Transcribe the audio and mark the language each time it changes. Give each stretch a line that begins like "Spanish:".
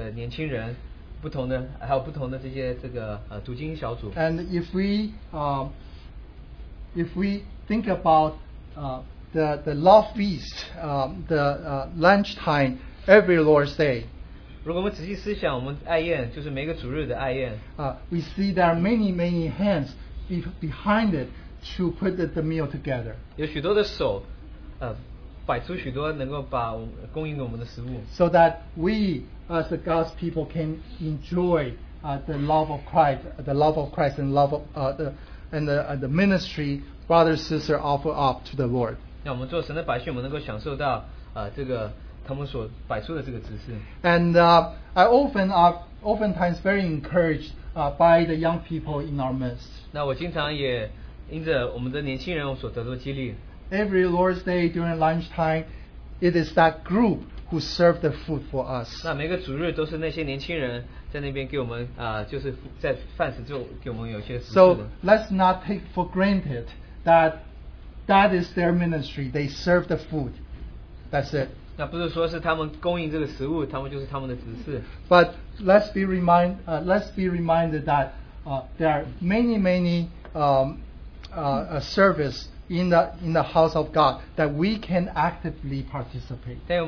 Chinese: 无论是年纪比较小的这些小孩子，或是这个年轻人，不同的， 还有不同的这些这个, ,读经小组。
English: And if we think about the love feast, the lunch time every Lord's Day.
Chinese: 如果我们仔细思想，我们爱宴就是每个主日的爱宴。
English: We see there are many hands behind it to put the meal together.
Chinese: 有许多的手, 摆出许多能够把供应给我们的食物。
English: So that we as the God's people can enjoy the love of Christ, and the ministry brother and sister offer up to the Lord.
Chinese: 让我们做神的百姓，我们能够享受到 他们所摆出的这个姿势。
English: And I often are oftentimes very encouraged by the young people in our midst.
Chinese: 那我经常也 因着我们的年轻人所得到激励,
English: every Lord's Day during lunchtime, it is that group who served the food for us.
Chinese: 那每个主日都是那些年轻人在那边给我们, 就是在饭食就给我们有些食物的。
English: So let's not take for granted that is their ministry. They serve the food. That's it.
Chinese: 那不是说是他们供应这个食物, 他们就是他们的执事。
English: But let's be reminded that there are many a service in the house of God that we can actively participate.